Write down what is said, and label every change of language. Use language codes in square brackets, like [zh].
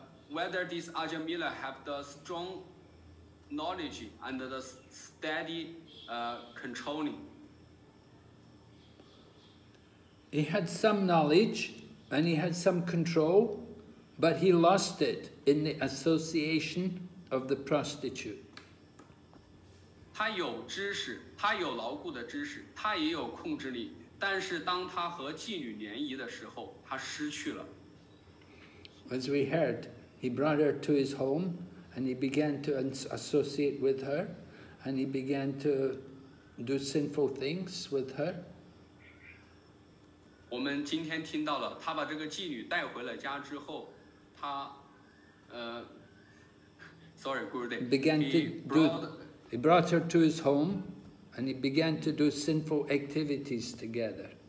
[en] Whether this Ajamila have the strong knowledge and the steady controlling? He had some knowledge and he had some control, but he lost it in the association of the prostitute. [zh] 他有知识，他有牢固的知识，他也有控制力，但是当他和妓女联谊的时候，他失去了。 [en] As we heard, he brought her to his home, and he began to associate with her, and he began to do sinful things with her. [zh] 我们今天听到了，他把这个妓女带回了家之后，他 [en] He brought her to his home, and he began to do sinful activities together.